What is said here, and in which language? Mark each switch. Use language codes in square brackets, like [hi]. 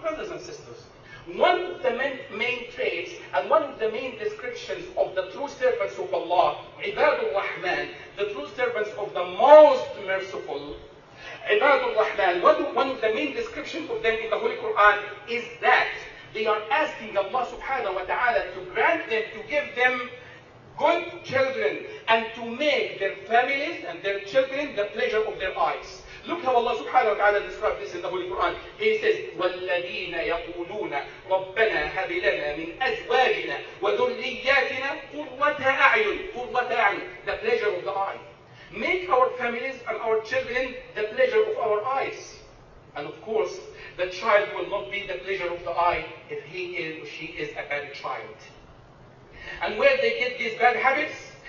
[en] Brothers and sisters, one of the main traits and one of the main descriptions of the true servants of Allah, عباد الرحمن, the true servants of the most merciful, عباد الرحمن, one of the main descriptions of them in the Holy Quran is that they are asking Allah subhanahu wa ta'ala to grant them, to give them good children and to make their families and their children the pleasure of their eyes. Look how Allah subhanahu wa ta'ala describes this in the Holy Quran. He says, [ar] وَالَّذِينَ يَقُولُونَ رَبَّنَا هَبْ لَنَا مِنْ أَزْوَاجِنَا وَذُرِّيَّاتِنَا قُرَّةَ أَعْيُنٍ. قُرَّةَ أَعْيُنٍ, [en] the pleasure of the eye. Make our families and our children the pleasure of our eyes. And of course, the child will not be the pleasure of the eye if he is or she is a bad child. And where they get these bad habits?